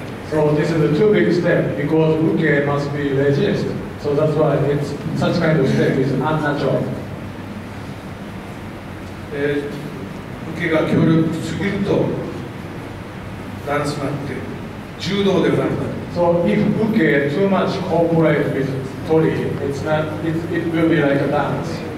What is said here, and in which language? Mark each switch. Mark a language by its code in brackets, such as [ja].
[en] So this is a too big step because uke must be resist. So that's why it's such kind of step is unnatural. [ja] 受けが強力すぎるとダンスになって柔道ではなくなる。 [en] So if 受け too much cooperate with Tori, it's not, it's, it will be like a dance.